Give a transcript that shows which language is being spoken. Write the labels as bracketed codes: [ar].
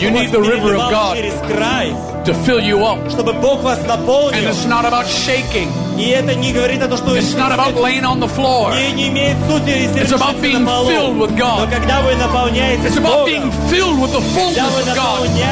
[en] You need the river of God to fill you up. [ru] Чтобы Бог вас наполнил. [en] And it's not about shaking. [ru] И это не говорит о том, что. [en] It's not about laying on the floor. [ru] Не имеет сути, если лежите на полу. [en] It's about being filled with God. [ru] Но когда вы наполняетесь Богом. [en] It's about being filled with the fullness of God.